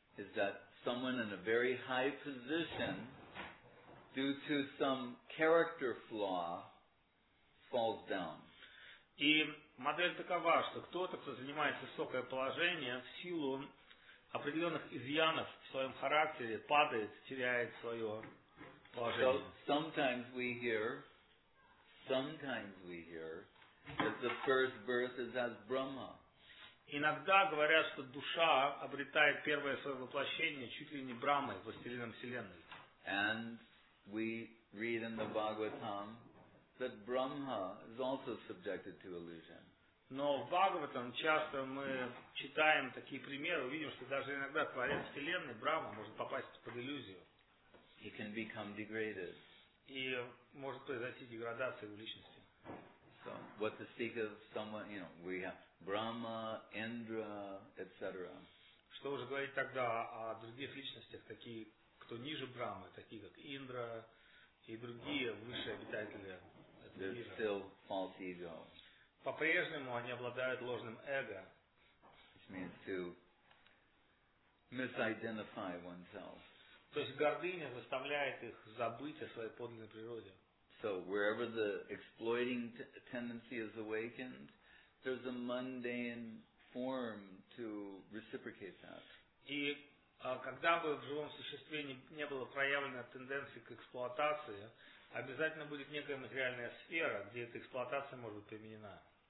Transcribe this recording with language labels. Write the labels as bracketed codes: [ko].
[en] Is that someone in a very high position due to some character flaw falls down. [ru] И модель такова, что кто-то, кто занимает высокое положение, в силу определенных изъянов в своем характере падает, теряет свое положение. [en] So sometimes we hear that the first birth is as Brahma. [ru] Иногда говорят, что душа обретает первое свое воплощение чуть ли не Брахмой, властелином вселенной. [en] And we read in the Bhagavatam that Brahma is also subjected to illusion. [ru] Но в Бхагаватам часто мы читаем такие примеры, увидим, что даже иногда творец вселенной Брахма может попасть под иллюзию. [en] He can become degraded. [ru] И может произойти деградация в личности. [en] So, what to speak of someone, you know, we have Brahma, Indra, etc. [ru] Что уже говорить тогда о других личностях, такие, кто ниже Брахмы, такие как Индра и другие высшие обитатели этого мира. [en] They're still false ego. [ru] По-прежнему они обладают ложным эго. [en] Which means to misidentify oneself. [ru] То есть гордыня заставляет их забыть о своей подлинной природе. [en] So wherever the exploiting tendency is awakened, there's a mundane form to reciprocate that. [ru] И когда бы в живом существе не было проявлено тенденции к эксплуатации, обязательно будет некая материальная сфера, где эта эксплуатация может быть применена.